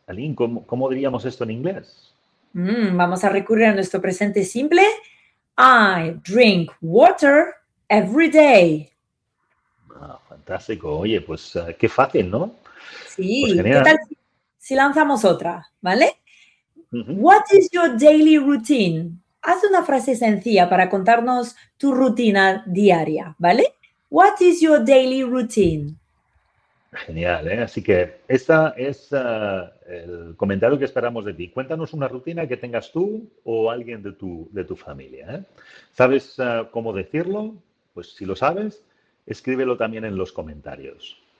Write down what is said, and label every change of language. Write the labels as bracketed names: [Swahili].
[Spanish] Aline, ¿cómo diríamos esto en inglés? Vamos a recurrir a nuestro presente simple. [English] I drink water every day. [Spanish] Fantástico. Oye, pues qué fácil, ¿no? Sí, pues ¿qué tal si lanzamos otra? ¿Vale? Uh-huh. [English] What is your daily routine? [Spanish] Haz una frase sencilla para contarnos tu rutina diaria, ¿vale? [English] What is your daily routine? [Spanish] Genial, ¿eh? Así que este es el comentario que esperamos de ti. Cuéntanos una rutina que tengas tú o alguien de tu familia, ¿eh? ¿Sabes cómo decirlo? Pues si lo sabes, escríbelo también en los comentarios.